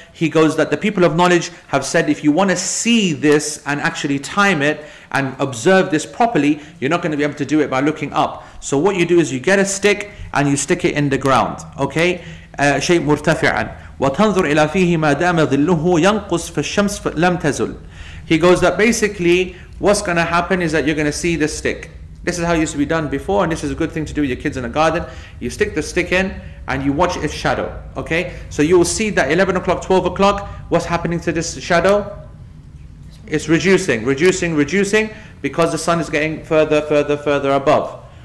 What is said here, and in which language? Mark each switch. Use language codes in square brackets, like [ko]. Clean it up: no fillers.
[en] He goes that the people of knowledge have said, if you want to see this and actually time it and observe this properly, you're not going to be able to do it by looking up. So what you do is you get a stick and you stick it in the ground. Okay? [ar] شيء مرتفعا وتنظر إلى فيه ما دام ظله ينقص فالشمس لم تزل. [en] He goes that basically what's going to happen is that you're going to see this stick. This is how it used to be done before, and this is a good thing to do with your kids in a garden. You stick the stick in and you watch its shadow. Okay, so you will see that 11 o'clock, 12 o'clock, what's happening to this shadow? It's reducing, reducing, reducing, because the sun is getting further, further, further above.